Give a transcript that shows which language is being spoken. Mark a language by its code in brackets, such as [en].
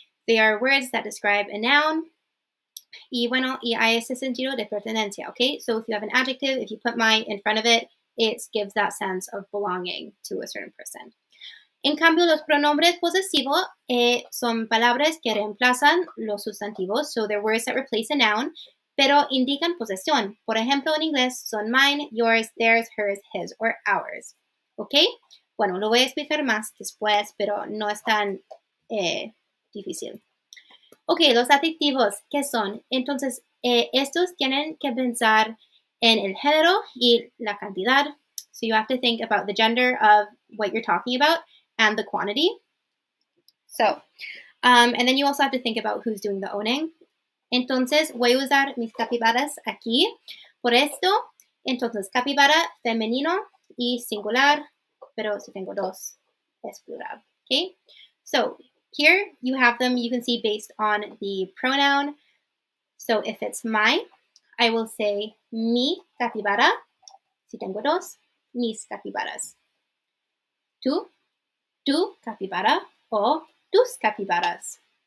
[en] They are words that describe a noun. [es] Y bueno, y hay ese sentido de pertenencia, [en] okay? So if you have an adjective, if you put my in front of it, it gives that sense of belonging to a certain person. [es] En cambio, los pronombres posesivos son palabras que reemplazan los sustantivos. [en] So they're words that replace a noun, [es] pero indican posesión. Por ejemplo, en inglés, son mine, yours, theirs, hers, his, or ours. Okay? Bueno, lo voy a explicar más después, pero no es tan difícil. Ok, los adjetivos, ¿qué son? Entonces, estos tienen que pensar en el género y la cantidad. [en] So you have to think about the gender of what you're talking about and the quantity. So, and then you also have to think about who's doing the owning. [es] Entonces, voy a usar mis capibaras aquí. Por esto, entonces, capibara femenino y singular, pero si tengo dos, es plural. [en] Ok, so, here you have them, you can see based on the pronoun. So if it's my, I will say mi capibara. [es] Si tengo dos, mis capibaras. Tú, tu capibara o tus capibaras.